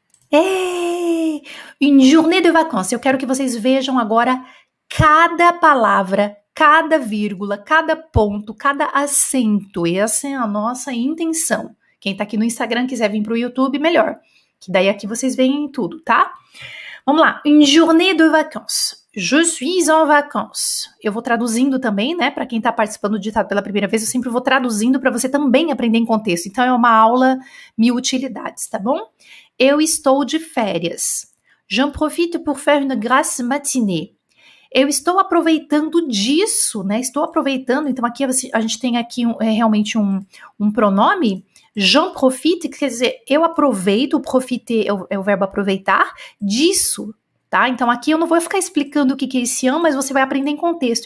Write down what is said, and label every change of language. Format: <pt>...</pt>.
<fr>É une journée de vacances.</fr> <pt>Eu quero que vocês vejam agora cada palavra, cada vírgula, cada ponto, cada acento. Essa é a nossa intenção. Quem tá aqui no Instagram quiser vir para o YouTube, melhor. Que daí aqui vocês veem tudo, tá? Vamos lá.</pt> <fr>Une journée de vacances. Je suis en vacances.</fr> <pt>Eu vou traduzindo também, né? Para quem está participando do ditado pela primeira vez, eu sempre vou traduzindo para você também aprender em contexto. Então é uma aula mil utilidades, tá bom?</pt> <fr>Eu estou de férias. J'en profite pour faire une grasse matinée.</fr> <pt>eu estou aproveitando disso, né? Estou aproveitando. Então, aqui a gente tem aqui realmente um pronome. J'en profite, quer dizer, eu aproveito, profiter é o verbo aproveitar, disso, tá? Então, aqui eu não vou ficar explicando o que é esse ano, mas você vai aprender em contexto.</pt>